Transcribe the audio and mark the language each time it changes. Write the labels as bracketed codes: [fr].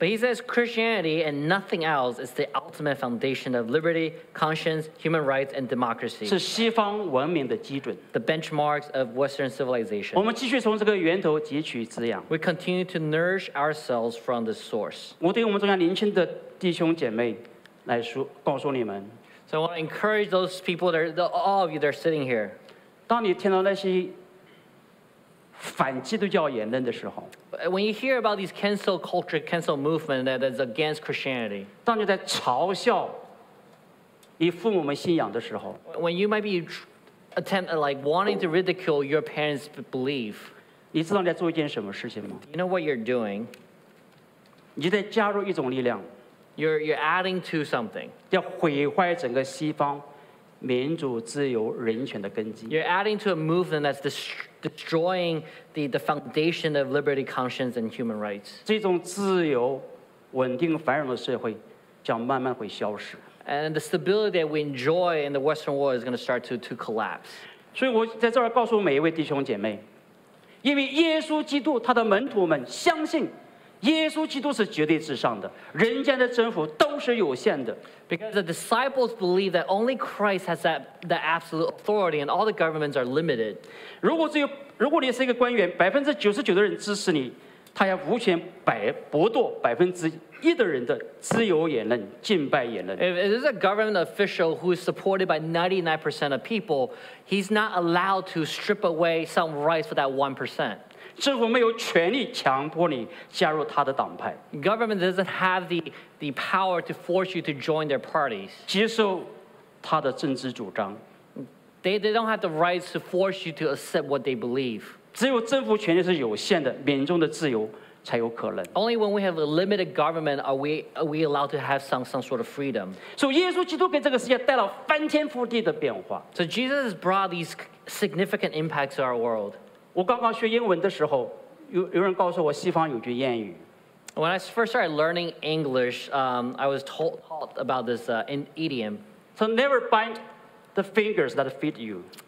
[en] But he says Christianity and nothing else is the ultimate foundation of liberty, conscience, human rights, and democracy. [zh] 是西方文明的基准。 [en] The benchmarks of Western civilization. [zh] 我们继续。从这个源头汲取滋养。 [en] We continue to nourish ourselves from the source. [zh] 我对我们中央年轻的弟兄姐妹来说，告诉你们。 [en] So I want to encourage those people that are, all of you that are sitting here. [zh] 当你听到那些反基督教言论的时候 [en] ，When you hear about these cancel culture, cancel movement that is against Christianity. [zh] 当你在嘲笑以父母们信仰的时候 [en] ，When you might be attempt at like wanting to ridicule your parents' belief. [zh] 你知道你在做一件什么事情吗 [en] ？You know what you're doing. [zh] 你在加入一种力量。 [en] You're adding to something. [zh] 要毁坏整个西方民主、自由、人权的根基。 [en] You're adding to a movement that's destroying the foundation of liberty, conscience, and human rights. [zh] 这种自由、稳定、繁荣的社会将慢慢会消失。 [en] And the stability that we enjoy in the Western world is going to start to collapse. [zh] 所以我在这儿告诉每一位弟兄姐妹，因为耶稣基督他的门徒们相信。耶稣基督是绝对至上的，人间的征服都是有限的。 [en] Because the disciples believe that only Christ has the absolute authority, and all the governments are limited. [zh] 如果你是一个官员，99%的人支持你，他要无权剥夺1%的人的自由言论、敬拜言论。 [en] If it is a government official who is supported by 99% of people, he's not allowed to strip away some rights for that 1%. [zh] 政府没有权利强迫你加入他的党派。 [en] Government doesn't have the power to force you to join their parties. [zh] 接受他的政治主张。 [en] They don't have the rights to force you to accept what they believe. [zh] 只有政府权力是有限的，民众的自由才有可能。 [en] Only when we have a limited government are we allowed to have some sort of freedom. [zh] 所以耶稣基督给这个世界带来翻天覆地的变化。 [en] So Jesus has brought these significant impacts to our world. [zh] 我刚刚学英文的时候 有人告诉我西方有句谚语。 [en] When I first started learning English, I was taught about this idiom. So never bind the fingers that feed you.